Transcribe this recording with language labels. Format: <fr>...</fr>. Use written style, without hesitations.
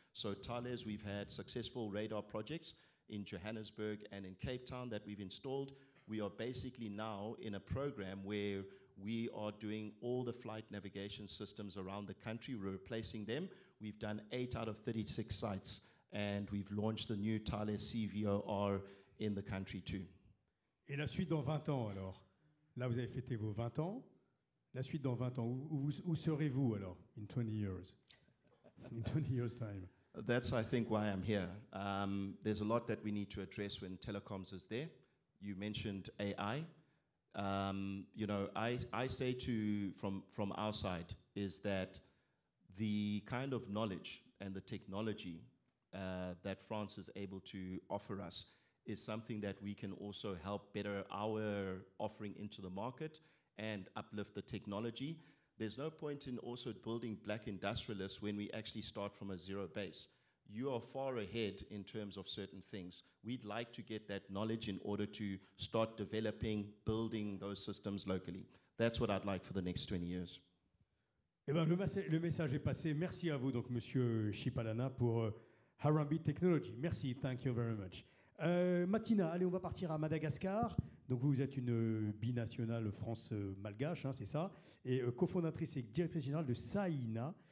<en>So Thales, we've had successful radar projects in Johannesburg and in Cape Town that we've installed. We are basically now in a program where we are doing all the flight navigation systems around the country. We're replacing them. We've done 8 out of 36 sites, and we've launched the new Thales CVOR in the country too.</en> <fr>Et la suite dans 20 ans alors? Là, vous avez fêté vos 20 ans. La suite dans 20 ans, où serez-vous alors,</fr> <en>in 20 years? In 20 years' time. That's, I think, why I'm here. There's a lot that we need to address when telecoms is there. You mentioned AI. You know, I say to from our side is that the kind of knowledge and the technology that France is able to offer us is something that we can also help better our offering into the market and uplift the technology. There's no point in also building black industrialists when we actually start from a zero base. You are far ahead in terms of certain things. We'd like to get that knowledge in order to start developing, building those systems locally. That's what I'd like for the next 20 years.</en> <fr>Eh ben, le message est passé. Merci à vous, donc, Monsieur Chipalana, pour Harambee Technology. Merci.</fr> <en>Thank you very much.</en> <fr>Matina, allez, on va partir à Madagascar. Donc, vous êtes une binationale France-Malgache, hein, c'est ça, et cofondatrice et directrice générale de Saïna.</fr>